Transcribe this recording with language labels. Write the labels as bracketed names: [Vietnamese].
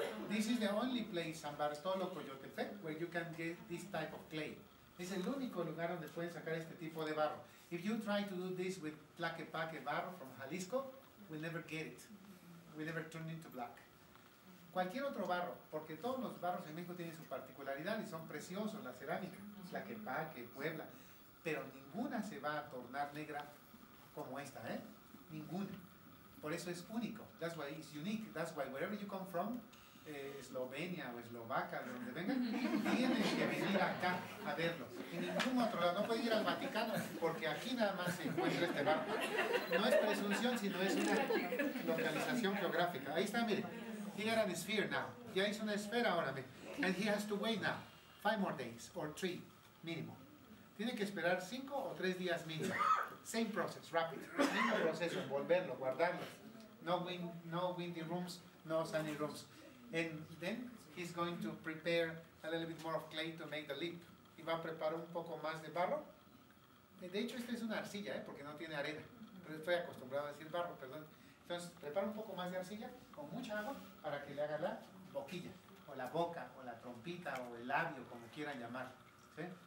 [English] This is the only place in Bartolo, Coyotepec, where you can get this type of clay. [Spanish] Es el único lugar donde pueden sacar este tipo de barro. [English] If you try to do this with Tlaquepaque barro from Jalisco, we'll never get it. We'll never turn into black. [Spanish] Cualquier otro barro, porque todos los barros en México tienen su particularidad y son preciosos, la cerámica, Tlaquepaque, Puebla, pero ninguna se va a tornar negra como esta, ¿eh? Ninguna. Por eso es único. [English] That's why it's unique. That's why wherever you come from, [Spanish] Eslovenia o Eslovaca, de donde vengan, tienen que venir acá a verlo. En ningún otro lado. No puede ir al Vaticano porque aquí nada más se encuentra este barro. No es presunción, sino es una localización geográfica. Ahí está, miren. [English] He got a sphere now. [Spanish] Ya hizo una esfera ahora, miren. [English] And he has to wait now. 5 more days or 3, [Spanish] mínimo. Tiene que esperar 5 o 3 días mínimo. [English] Same process, rapid. [Spanish] Mismo proceso, envolverlo, guardarlo. [English] No windy rooms, no sunny rooms. And then he's going to prepare a little bit more of clay to make the leap. [Spanish] Y va a preparar un poco más de barro. De hecho, esta es una arcilla, ¿eh? Porque no tiene arena. Pero estoy acostumbrado a decir barro, perdón. Entonces, prepara un poco más de arcilla con mucha agua para que le haga la boquilla, o la boca, o la trompita, o el labio, como quieran llamar. ¿Sí?